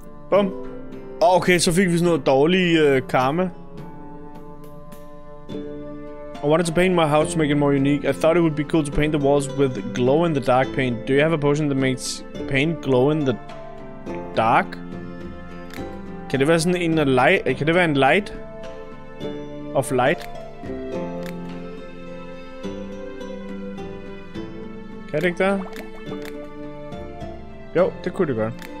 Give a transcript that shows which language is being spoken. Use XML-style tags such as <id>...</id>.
<da>Bum. Okay, så fik vi sådan noget dårlig karma.</da> <en>I wanted to paint my house to make it more unique. I thought it would be cool to paint the walls with glow-in-the-dark paint. Do you have a potion that makes paint glow-in-the-dark?</en> <da>Kan det være sådan en light? Kan det være en light? Of light? Kan det ikke der? Jo, det kunne det godt.</da>